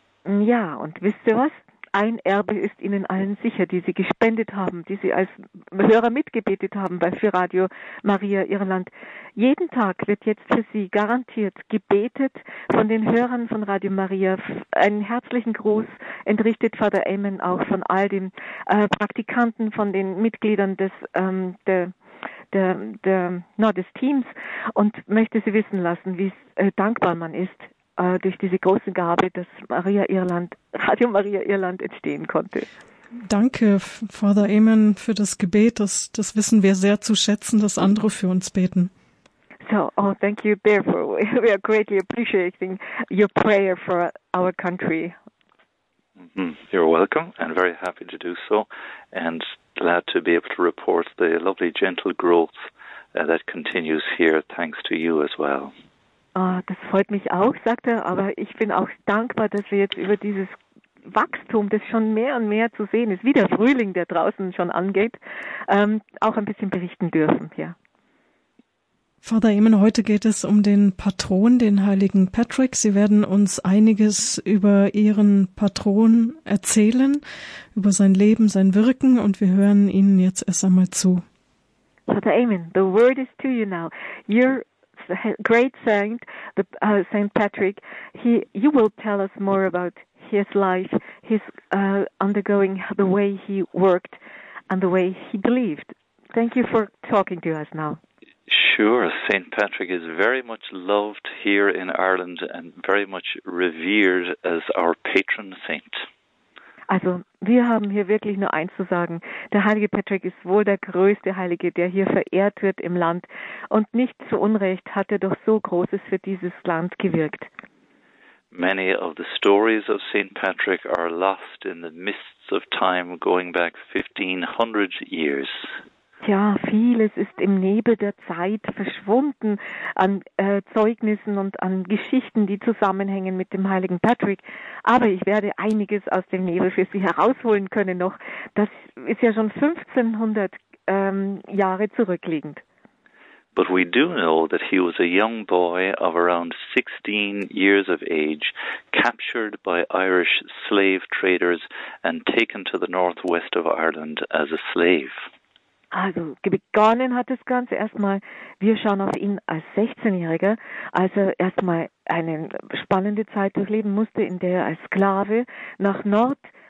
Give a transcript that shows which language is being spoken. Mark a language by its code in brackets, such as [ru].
[de] Ja, und wisst ihr was? Ein Erbe ist Ihnen allen sicher, die Sie gespendet haben, die Sie als Hörer mitgebetet haben für Radio Maria Irland. Jeden Tag wird jetzt für Sie garantiert gebetet von den Hörern von Radio Maria. Einen herzlichen Gruß entrichtet Father Eamon auch von all den Praktikanten, von den Mitgliedern des Teams und möchte Sie wissen lassen, wie dankbar man ist durch diese große Gabe, dass Radio Maria Irland entstehen konnte. Danke, Father Eamon, für das Gebet. Das wissen wir sehr zu schätzen, dass andere für uns beten. [en] So, oh, thank you, therefore. We are greatly appreciating your prayer for our country. You're welcome and very happy to do so and glad to be able to report the lovely gentle growth that continues here thanks to you as well. [de] Oh, das freut mich auch, sagt er, aber ich bin auch dankbar, dass wir jetzt über dieses Wachstum, das schon mehr und mehr zu sehen ist, wie der Frühling, der draußen schon angeht, auch ein bisschen berichten dürfen. Ja. Vater Ehmen, heute geht es um den Patron, den heiligen Patrick. Sie werden uns einiges über Ihren Patron erzählen, über sein Leben, sein Wirken, und wir hören Ihnen jetzt erst einmal zu. [en] Father Eamon, the word is to you now. Your great saint, Saint Patrick, you will tell us more about his life, his undergoing, the way he worked and the way he believed. Thank you for talking to us now. Sure. Saint Patrick is very much loved here in Ireland and very much revered as our patron saint. [de] Also, wir haben hier wirklich nur eins zu sagen. Der heilige Patrick ist wohl der größte Heilige, der hier verehrt wird im Land. Und nicht zu Unrecht hat er doch so Großes für dieses Land gewirkt. [en] Many of the stories of St. Patrick are lost in the mists of time going back 1500 years. [de] Ja, vieles ist im Nebel der Zeit verschwunden an Zeugnissen und an Geschichten, die zusammenhängen mit dem heiligen Patrick. Aber ich werde einiges aus dem Nebel für Sie herausholen können noch. Das ist ja schon 1500 Jahre zurückliegend. [en] But we do know that he was a young boy of around 16 years of age, captured by Irish slave traders and taken to the northwest of Ireland as a slave. [de] Also begonnen hat das Ganze erstmal, wir schauen auf ihn als 16-Jähriger, als er erstmal eine spannende Zeit durchleben musste, in der er als Sklave nach Nordwesten.